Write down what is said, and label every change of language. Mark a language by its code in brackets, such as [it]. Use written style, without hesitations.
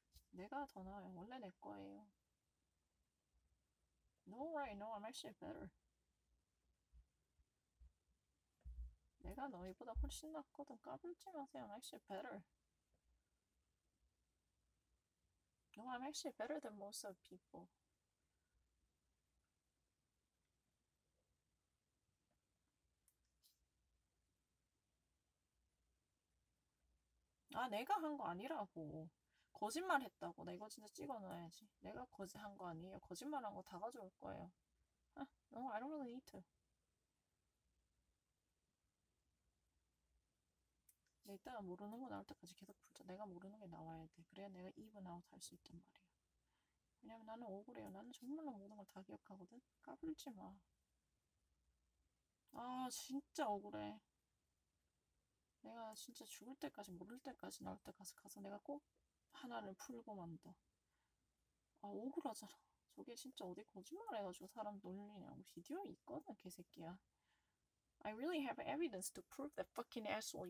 [ko] 내가 더 나아요. 원래 내 거예요. [en] No, right, no, I'm actually better. [ko] 내가 너희보다 훨씬 낫거든. 까불지 마세요. [en] I'm actually better. No, I'm actually better than most of people. [ko] 아, 내가 한거 아니라고. 거짓말 했다고. 나 이거 진짜 찍어놔야지. 내가 거짓 한거 아니에요. 거짓말한 거다 가져올 거예요. [en] 아, no, I don't really need to. [ko] 이따가 모르는 거 나올 때까지 계속 풀자. 내가 모르는 게 나와야 돼. 그래야 내가 [en] even out [ko] 할수 있단 말이야. 왜냐면 나는 억울해요. 나는 정말로 모든 걸다 기억하거든. 까불지 마. 아, 진짜 억울해. 내가 진짜 죽을 때까지, 모를 때까지, 나올 때까지 가서 내가 꼭 하나를 풀고 만다. 아, 억울하잖아. 저게 진짜 어디 거짓말해가지고 사람 놀리냐고. 비디오 있거든, 개새끼야. [en] I really have evidence to prove that fucking asshole.